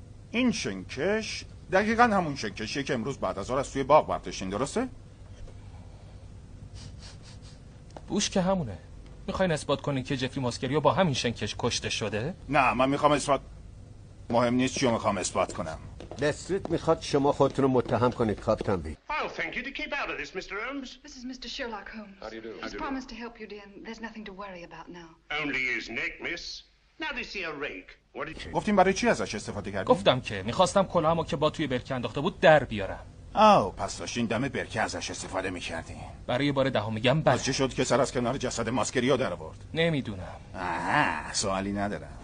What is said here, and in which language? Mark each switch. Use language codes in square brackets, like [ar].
[fa] این شنکش دقیقاً همون شنکشیه که امروز بعد از ظهر از توی باغ برداشتین، درسته؟ بوش که همونه. می‌خواین اثبات کنین که جفری ماسکریو با همین شنکش کشته شده؟ نه، من می‌خوام اثبات. مهم نیست چی می‌خوام اثبات کنم. لستریت میخواد شما خودتون رو متهم کنید کاپیتان بی. [en] I'll thank you to keep out of this, Mr. Holmes. This is Mr. Sherlock Holmes. How do you do? He's promised to help you, dear. There's nothing to worry about now. Only his neck, miss. Now this here rake. What did you... [fa] گفتیم برای چی ازش استفاده کردیم؟ گفتم که میخواستم کلاهمو که با توی برکه انداخته بود در بیارم. آو، پس داشتین دم برکه ازش استفاده میکردین. برای بار دهم میگم بله. پس چه شد که سر از کنار جسد ماسکریو در آورد؟ نمیدونم. آها، سوالی ندارم.